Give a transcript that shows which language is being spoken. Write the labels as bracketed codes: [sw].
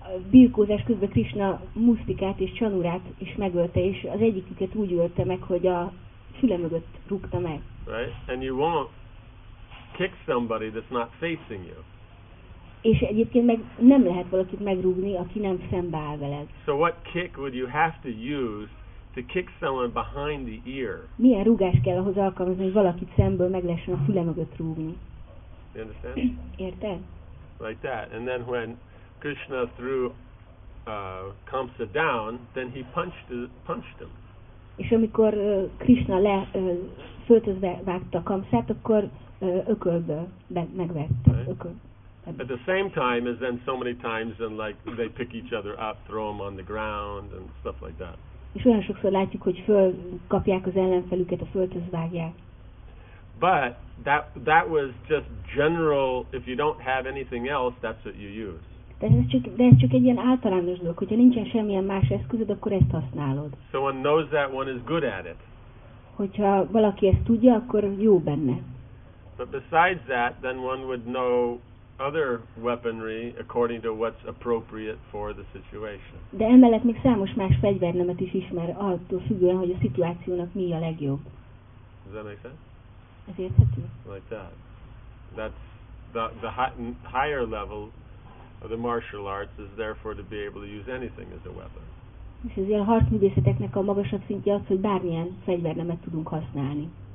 [hu] Birkózás közben Krishna Mustikát és Chanurát is megölte, és az egyiküket úgy ölte meg, hogy a füle mögött rúgta meg. [en] Right? And you won't kick somebody that's not facing you. [hu] És egyébként meg nem lehet valakit megrúgni, aki nem szembe áll veled. [en] So what kick would you have to use to kick someone behind the ear? [hu] Milyen rúgás kell ahhoz alkalmazni, hogy valakit szemből meg lehessen a füle mögött rúgni? [en] You understand? [hu] Érted? [en] Like that. And then when Krishna threw Kamsa down, then he punched him. [hu] És amikor Krishna le föltözve vágta Kamsát, akkor ökölből megvert. [en] At the same time as then so many times and like they pick each other up, throw them on the ground and stuff like that. [hu] És olyan sokszor látjuk, hogy fölkapják az ellenfelüket, a föltözvágják. [en] But that was just general, if you don't have anything else, that's what you use. [hu] De ez csak egy ilyen általános dolog, hogyha nincsen semmilyen más eszközöd, akkor ezt használod. [en] So one knows that, one is good at it. [hu] Hogyha valaki ezt tudja, akkor jó benne. [en] But besides that, then one would know other weaponry according to what's appropriate for the situation. [hu] De emellett még számos más fegyvernemet is ismer, attól függően, hogy a szituációnak mi a legjobb. [en] Does that make sense? [hu] Ez érthető? [en] Like that. That's the higher level of the martial arts is therefore to be able to use anything as a weapon. [hu] És ezért a harcművészeteknek a magasabb szintje az, hogy bármilyen fegyvernemet tudunk használni.